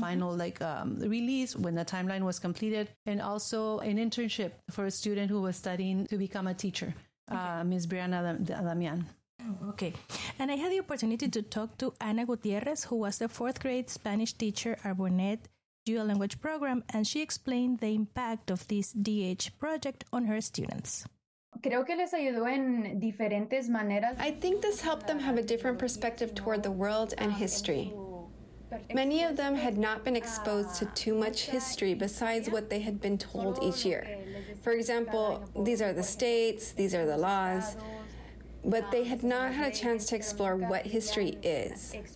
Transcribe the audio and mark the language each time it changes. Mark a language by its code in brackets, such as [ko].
[en] final like release when the timeline was completed, and also an internship for a student who was studying to become a teacher, okay. Ms. Brianna Damian. Okay. And I had the opportunity to talk to Ana Gutierrez, who was the fourth grade Spanish teacher at Burnett Dual Language Program, and she explained the impact of this DH project on her students. [es] Creo que les ayudó en diferentes maneras. [en] I think this helped them have a different perspective toward the world and history. Many of them had not been exposed to too much history besides what they had been told each year. For example, these are the states, these are the laws, but they had not had a chance to explore what history is.